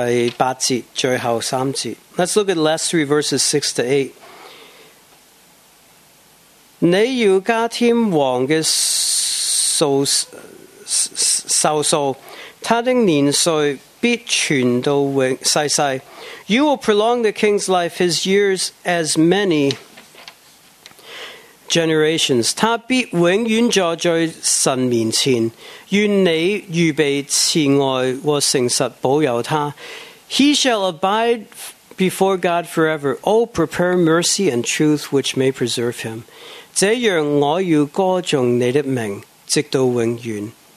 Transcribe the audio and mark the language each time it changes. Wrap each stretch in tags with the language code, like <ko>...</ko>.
<zh>我们看第六节到第八节,最后三节.</zh> <en>Let's look at the last three verses, 6 to 8.</en> <zh>你要加添王的数字, 受数他的年岁必存到永世世.</zh> <en>You will prolong the king's life, his years as many generations.</en> <zh>他必永远坐在神面前，愿你预备慈爱和诚实保佑他.</zh> <en>He shall abide before God forever. Oh, prepare mercy and truth which may preserve him.</en> <zh>这样我要歌颂你的名直到永远.</zh>